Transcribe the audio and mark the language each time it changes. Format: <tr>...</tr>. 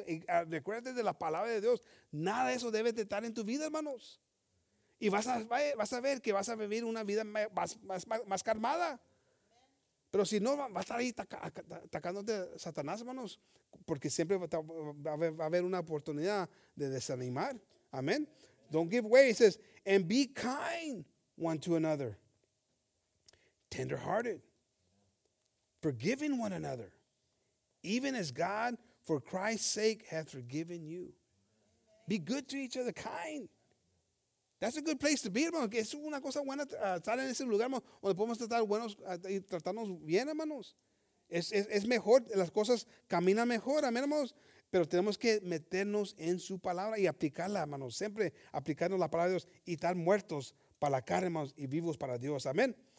<es>Y, recuérdate de la palabra de Dios. Nada de eso debe de estar en tu vida, hermanos. Y vas a ver que vas a vivir una vida más calmada. Pero si no, va a estar ahí atacándote Satanás, hermanos. Porque siempre va a haber una oportunidad de desanimar. Amén.</es> <en>Don't give way. He says, and be kind one to another. Tenderhearted. Forgiving one another. Even as God, for Christ's sake, hath forgiven you. Be good to each other. Kind. That's a good place to be, hermano.</en> <es>Es una cosa buena estar en ese lugar, hermano, donde podemos tratar buenos y tratarnos bien, hermanos. Es mejor, las cosas caminan mejor, amén, hermanos. Pero tenemos que meternos en su palabra y aplicarla, hermanos. Siempre aplicarnos la palabra de Dios y estar muertos para la carne, hermanos, y vivos para Dios, amén.</es>